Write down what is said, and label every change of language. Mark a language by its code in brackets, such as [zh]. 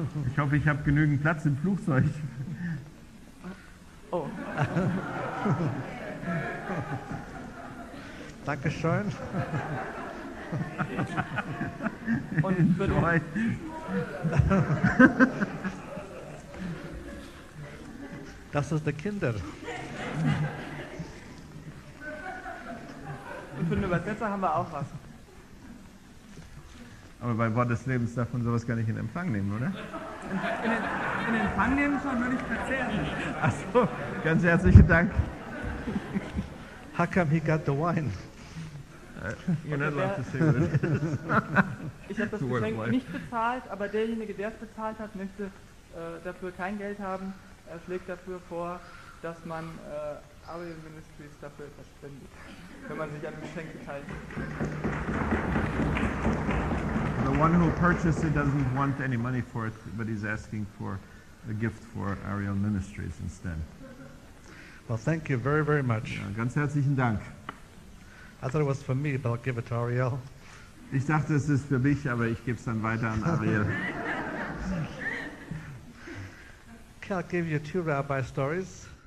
[de] Ich hoffe, ich habe genügend Platz im Flugzeug. Oh. Danke schön. Und für die Das ist die Kinder. Und für den Übersetzer haben wir auch was. Aber bei Wort des Lebens darf man sowas gar nicht in Empfang nehmen, oder? In Empfang nehmen schon, nur nicht verzehren. Achso, ganz herzlichen Dank. [en] How come he got the wine? You're not allowed to say what it is. [de] Ich habe das Geschenk nicht bezahlt, aber derjenige, der es bezahlt hat, möchte dafür kein Geld haben. Er schlägt dafür vor, dass man Ariel Ministries dafür verspendet, wenn man sich an ein Geschenk beteiligt. [en] The one who purchased it doesn't want any money for it, but he's asking for a gift for Ariel Ministries instead. Well, thank you very, very much. [de] Ja, ganz herzlichen Dank. [en] I thought it was for me, but I'll give it to Ariel. [de] Ich dachte, es ist für mich, aber ich gebe es dann weiter an Ariel. [en] Okay, I'll give you two rabbi stories.